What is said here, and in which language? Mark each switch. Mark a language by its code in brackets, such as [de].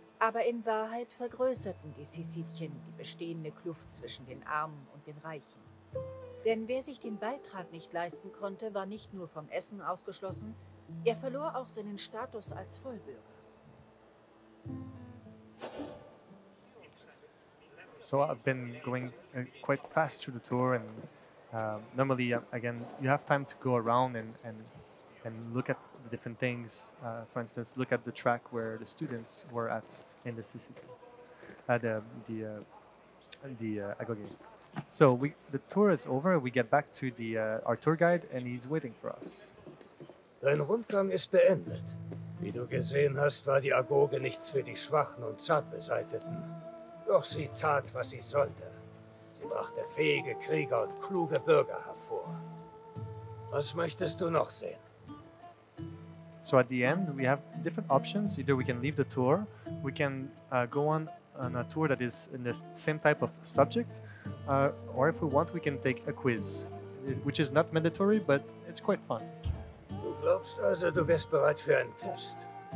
[de] Aber in Wahrheit vergrößerten die Syzitien die bestehende Kluft zwischen den Armen und den Reichen. Denn wer sich den Beitrag nicht leisten konnte, war nicht nur vom Essen ausgeschlossen, er verlor auch seinen Status als Vollbürger. [en] So I've been going quite fast through the tour, and normally, again, you have time to go around and look at the different things. For instance, look at the track where the students were at in the Sicily, the agoge. So the tour is over. We get back to our tour guide, and he's waiting for us. [de] Dein Rundgang ist beendet. Wie du gesehen hast, war die Agoge nichts für die Schwachen und Zartbeseiteten. Doch sie tat, was sie sollte. Sie brachte fähige Krieger und kluge Bürger hervor. Was möchtest du noch sehen? [en] So at the end, we have different options. Either we can leave the tour, we can go on a tour that is in the same type of subject, or if we want, we can take a quiz, which is not mandatory, but it's quite fun. [de] Du glaubst also, du wirst bereit für einen Test.